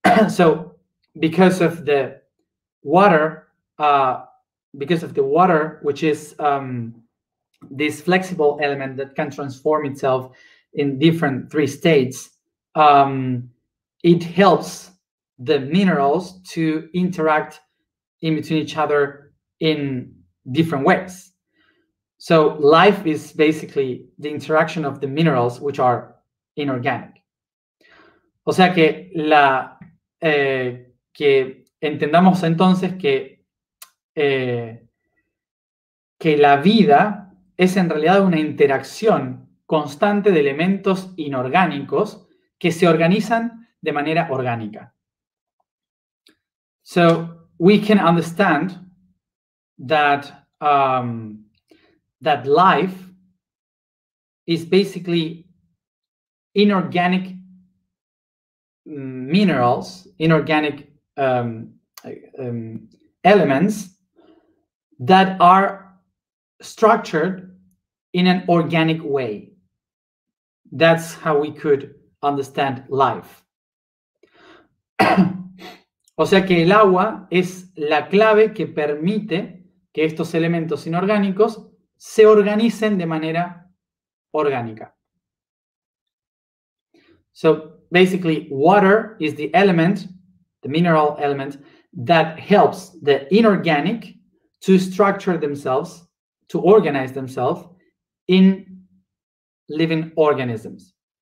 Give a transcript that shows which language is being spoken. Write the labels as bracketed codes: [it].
[en] So, because of the water, which is this flexible element that can transform itself in different three states, it helps the minerals to interact in between each other in different ways. So, life is basically the interaction of the minerals, which are inorganic. [es] O sea que que entendamos entonces que la vida es en realidad una interacción constante de elementos inorgánicos que se organizan de manera orgánica. [en] So we can understand that that life is basically inorganic minerals, inorganic elements that are structured in an organic way. That's how we could understand life. [es] O sea que el agua es la clave que permite que estos elementos inorgánicos se organicen de manera orgánica. [en] So basically, water is the element, the mineral element, that helps the inorganic to structure themselves, to organize themselves in living organisms.